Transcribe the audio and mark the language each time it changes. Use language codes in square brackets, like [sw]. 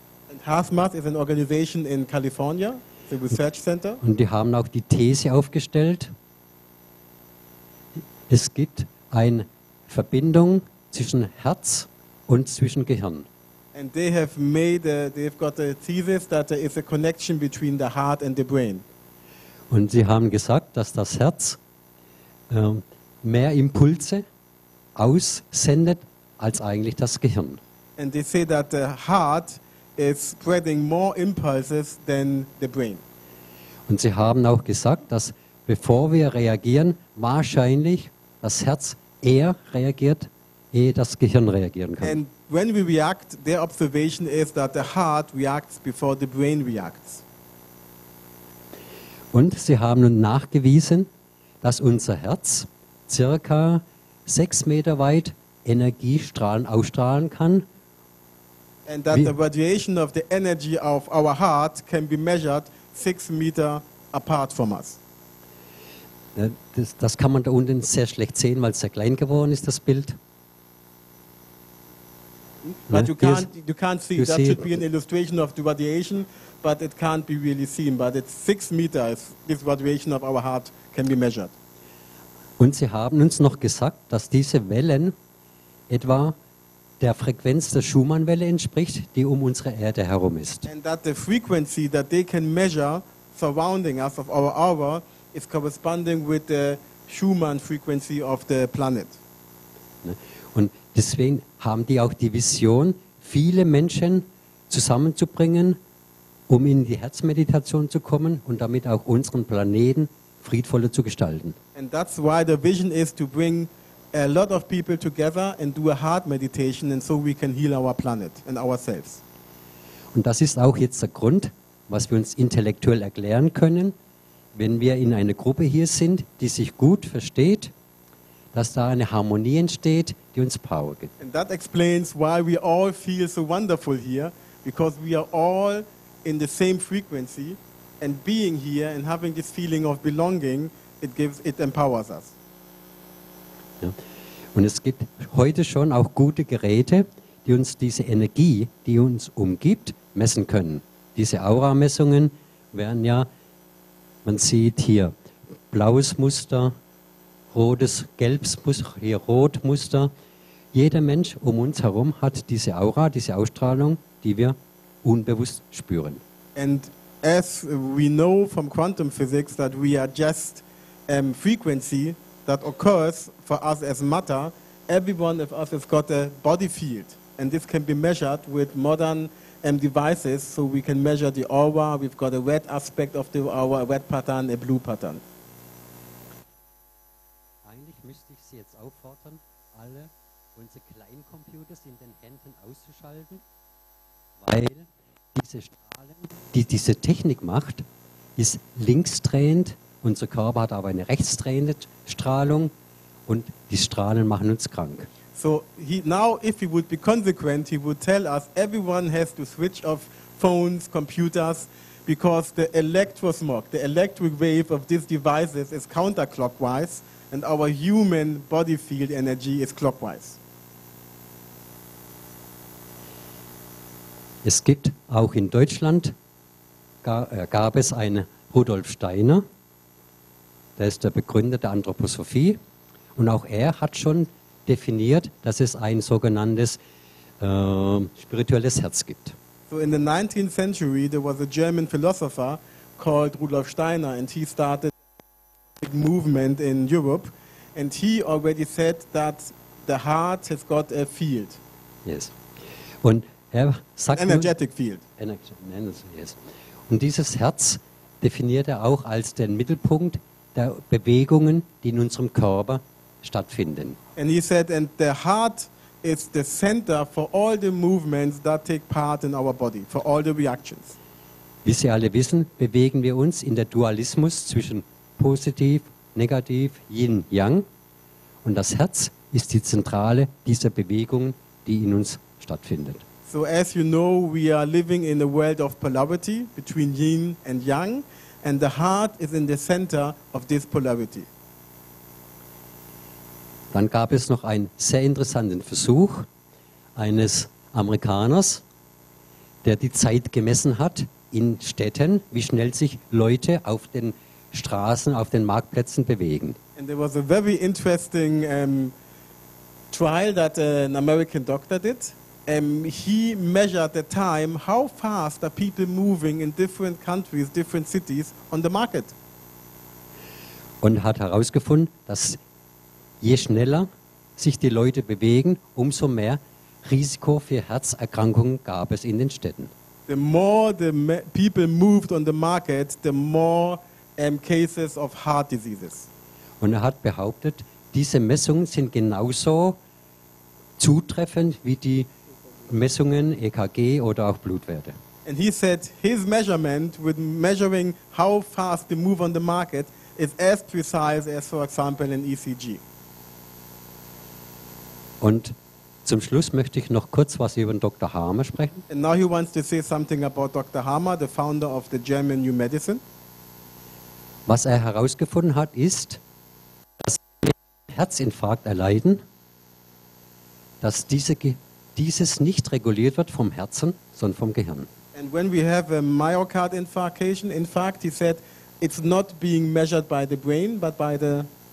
[en] And HeartMath is an organization in California, the research center. [de] Und die haben auch die These aufgestellt. Es gibt eine Verbindung zwischen Herz und zwischen Gehirn. [en] And they have made they've got a thesis that there is a connection between the heart and the brain. [de] Und sie haben gesagt, dass das Herz mehr Impulse aussendet als eigentlich das Gehirn. [en] And they say that the heart is spreading more impulses than the brain. [de] Und sie haben auch gesagt, dass bevor wir reagieren, wahrscheinlich das Herz eher reagiert, ehe das Gehirn reagieren kann. [en] And when we react, their observation is that the heart reacts before the brain reacts. [de] Und sie haben nun nachgewiesen, dass unser Herz circa 6 Meter weit Energiestrahlen ausstrahlen kann. [en] And that the radiation of the energy of our heart can be measured 6 Meter apart from us. [de] Das kann man da unten sehr schlecht sehen, weil es sehr klein geworden ist, das Bild. [en] But you can't see. That should be an illustration of the radiation, but it can't be really seen. But it's 6 meters, this radiation of our heart can be measured. [de] Und sie haben uns noch gesagt, dass diese Wellen etwa der Frequenz der Schumann-Welle entspricht, die um unsere Erde herum ist. [en] And that the frequency that they can measure surrounding us of our aura is corresponding with the Schumann frequency of the planet. [de] Und deswegen haben die auch die Vision, viele Menschen zusammenzubringen, um in die Herzmeditation zu kommen und damit auch unseren Planeten friedvoller zu gestalten. [en] And that's why the vision is to bring a lot of people together and do a heart meditation, and so we can heal our planet and ourselves. [de] Und das ist auch jetzt der Grund, was wir uns intellektuell erklären können, wenn wir in einer Gruppe hier sind, die sich gut versteht, dass da eine Harmonie entsteht, die uns Power gibt. And that explains why we all feel so wonderful here, because we are all in the same frequency, and being here and having this feeling of belonging, it empowers us. Ja. Und es gibt heute schon auch gute Geräte, die uns diese Energie, die uns umgibt, messen können. Diese Aura-Messungen werden ja, man sieht hier blaues Muster, rotes, gelbes Muster, hier Rotmuster. Jeder Mensch um uns herum hat diese Aura, diese Ausstrahlung, die wir unbewusst spüren. [en] And as we know from quantum physics that we are just frequency that occurs for us as matter, everyone of us has got a body field. And this can be measured with modern devices, so we can measure the aura. We've got a red aspect of the aura, a red pattern, a blue pattern. [de] Eigentlich müsste ich Sie jetzt auffordern, alle unsere Kleincomputers in den Händen auszuschalten, weil diese Strahlen, die diese Technik macht, ist linksdrehend. Unser Körper hat aber eine rechtsdrehende Strahlung und die Strahlen machen uns krank. [en] So he, now if he would be consequent, he would tell us everyone has to switch off phones, computers, because the electrosmog, the electric wave of these devices is counterclockwise and our human body field energy is clockwise. [de] Es gibt auch in Deutschland, gab es einen Rudolf Steiner, der ist der Begründer der Anthroposophie, und auch er hat schon definiert, dass es ein sogenanntes spirituelles Herz gibt. [en] So in the 19th century there was a German philosopher called Rudolf Steiner and he started a big movement in Europe and he already said that the heart has got a field. Yes. [de] Und er sagt [en] energetic field. Yes. [de] Und dieses Herz definiert er auch als den Mittelpunkt der Bewegungen, die in unserem Körper stattfinden. [en] And he said, and the heart is the center for all the movements that take part in our body, for all the reactions. [de] Wie Sie alle wissen, bewegen wir uns in der Dualismus zwischen positiv, negativ, Yin, Yang. Und das Herz ist die Zentrale dieser Bewegung, die in uns stattfindet. [en] So as you know, we are living in a world of polarity between Yin and Yang, and the heart is in the center of this polarity. [de] Dann gab es noch einen sehr interessanten Versuch eines Amerikaners, der die Zeit gemessen hat in Städten, wie schnell sich Leute auf den Straßen, auf den Marktplätzen bewegen. [en] And there was a very interesting trial that an American doctor did. He measured the time, how fast are people moving in different countries, different cities on the market. [de] Und hat herausgefunden, dass je schneller sich die Leute bewegen, umso mehr Risiko für Herzerkrankungen gab es in den Städten. [en] The more the people moved on the market, the more cases of heart diseases. [de] Und er hat behauptet, diese Messungen sind genauso zutreffend wie die Messungen EKG oder auch Blutwerte. [en] And he said his measurement with measuring how fast they move on the market is as precise as for example an ECG. [de] Und zum Schluss möchte ich noch kurz was über Dr. Harmer sprechen. [en] And now he wants to say something about Dr. Harmer, the founder of the German New Medicine. [de] Was er herausgefunden hat, ist, dass wir einen Herzinfarkt erleiden, dass dieses nicht reguliert wird vom Herzen, sondern vom Gehirn. [en] And when we have a myocard infarct, he said, it's not being measured by the brain, but by the...